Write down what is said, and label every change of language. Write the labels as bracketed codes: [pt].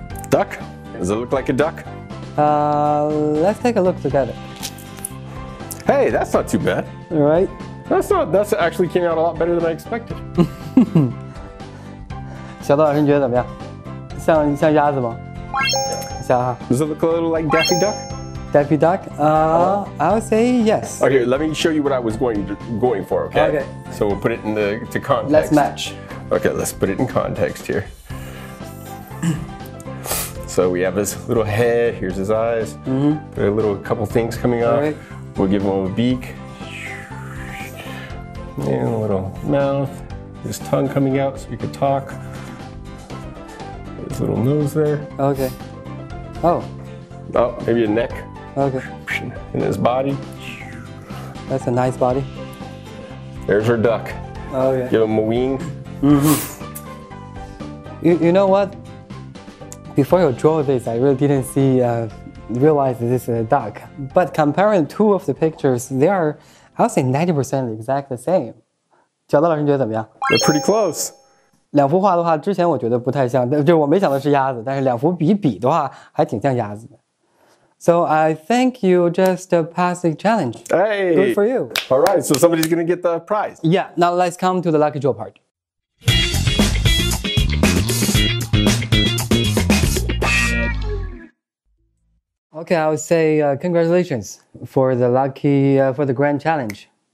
[en] Duck? Does it look like a duck? Let's take a look together. Hey, that's not too bad. All right. That's actually came out a lot better than I expected. [zh] 小道老师，你觉得怎么样？像鸭子吗？像哈。 [en] Does it look a little like Daffy Duck? Daffy Duck? I would say yes. Okay, let me show you what I was going for, okay? Okay. So we'll put it in to context. Let's match. Okay, let's put it in context here. So we have his little head, here's his eyes. Mm-hmm. A little couple things coming up. Right. We'll give him a beak. And a little mouth. His tongue coming out so he could talk. His little nose there. Okay. Oh. Oh, maybe a neck. Okay. And his body. That's a nice body. There's her duck. Oh, yeah. Give him a wing. You know what? Before you draw this, I really didn't see, realize that this is a duck. But comparing two of the pictures, they are, I would say, 90% exactly the same. [zh] 小道老师，你觉得怎么样? [en] They're pretty close. [zh] 两幅画的话，之前我觉得不太像，就是我没想到是鸭子，但是两幅比比的话，还挺像鸭子的。 [en] So I think you just passed the challenge. Hey! Good for you. All right, so somebody's going to get the prize. Yeah, now let's come to the lucky draw part. Okay, I would say congratulations for the lucky, for the grand challenge.